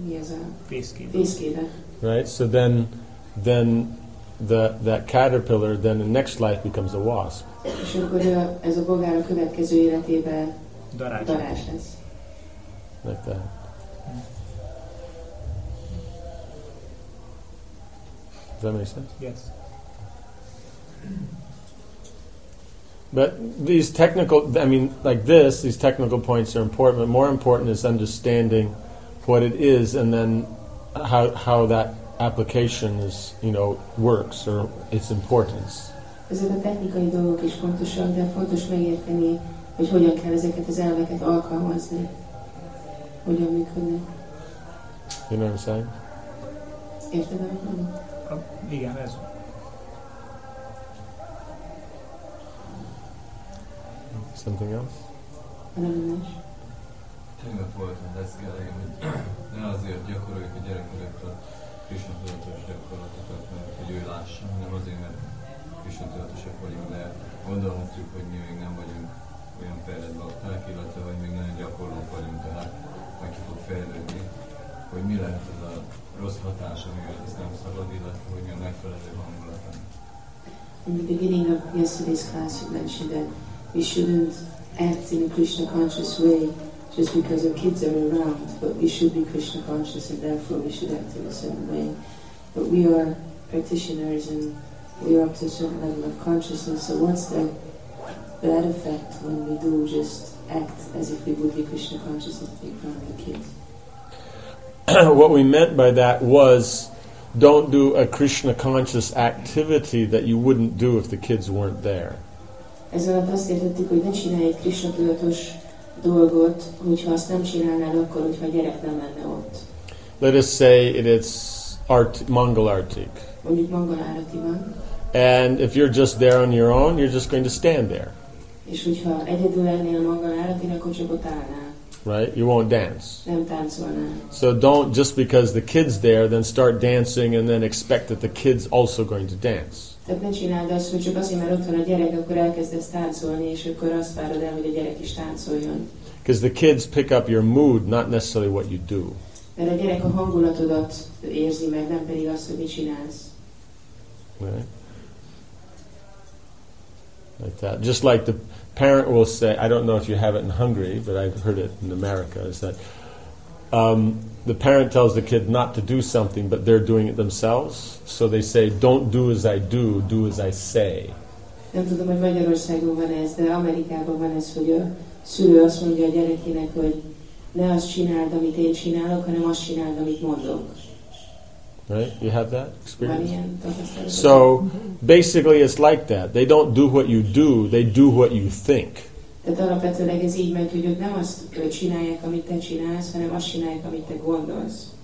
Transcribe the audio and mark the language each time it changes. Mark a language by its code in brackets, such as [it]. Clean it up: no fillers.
[en] Right? So then that caterpillar then in next life becomes a wasp. [hu] És akkor ez a bogár a következő életében darázs lesz. [en] Like that. Does that make sense? Yes. But these technical, I mean, like this, these technical points are important, but more important is understanding what it is and then how that application is, you know, works or its importance. [hu] Ezek a technikai dolgok is fontosak, de fontos megérteni, hogy hogyan kell ezeket az elveket alkalmazni, hogyan működnek. [en] You know what I'm saying? [hu] Érted, amit mondom? Igen, ez. [en] Something else? [hu] Nem más. Tegnap volt a deszkelegem, hogy ne azért gyakoroljuk a gyerekeket a Krisna tudatos gyakorlatokat, mert hogy ő lássa, hanem azért, mert tudatosak vagyunk, de gondolhatjuk, hogy mi még nem vagyunk olyan fejlett bakták, illetve hogy még nagyon gyakorlók vagyunk, tehát meg ki fog fejlődni, hogy mi lehet az a rossz hatás, amivel ezt nem szabad, illetve hogy mi a megfelelő hangulatán. [en] In the beginning of yesterday's class you mentioned that we shouldn't act in a Krishna conscious way just because our kids are around, but we should be Krishna conscious and therefore we should act in a certain way. But we are practitioners and we are up to a certain level of consciousness, so what's the bad effect when we do just act as if we would be Krishna conscious and take care of the kids? What we meant by that was, don't do a Krishna conscious activity that you wouldn't do if the kids weren't there. [hu] Ez alatt azt értettük, hogy ne csinálj egy Krishna tudatos dolgot, hogyha azt nem csinálnál akkor, hogyha a gyerek nem lenne ott. [en] Let us say it is Mangalartik. [hu] Mondjuk Mangalárati van. [en] And if you're just there on your own, you're just going to stand there. [hu] És hogyha egyedül lennél Mangalárati, akkor csak ott állnál. [en] right? You won't dance. [hu] Nem táncolnál. [en] So don't, just because the kid's there, then start dancing and then expect that the kid's also going to dance. [hu] Tehát ne csináld azt, hogy csak azért, mert ott van a gyerek, akkor elkezdesz táncolni, és akkor azt várod el, hogy a gyerek is táncoljon. [en] Because the kids pick up your mood, not necessarily what you do. [hu] Mert a gyerek a hangulatodat érzi meg, nem pedig azt, hogy mit csinálsz. [en] Right? Like that. Just like the parent will say, I don't know if you have it in Hungary, but I've heard it in America, is that the parent tells the kid not to do something, but they're doing it themselves. So they say, don't do as I do, do as I say. [hu] Nem tudom, hogy Magyarországon van ez, de Amerikában van ez, hogy a szülő azt mondja a gyerekének, hogy ne azt csináld, amit én csinálok, hanem azt csináld, amit mondok. [en] Right? You have that experience? So, basically it's like that. They don't do what you do, they do what you think. [hu] Tehát alapvetőleg ez így megy, hogy nem azt csinálják, amit te csinálsz, hanem azt csinálják, amit te gondolsz.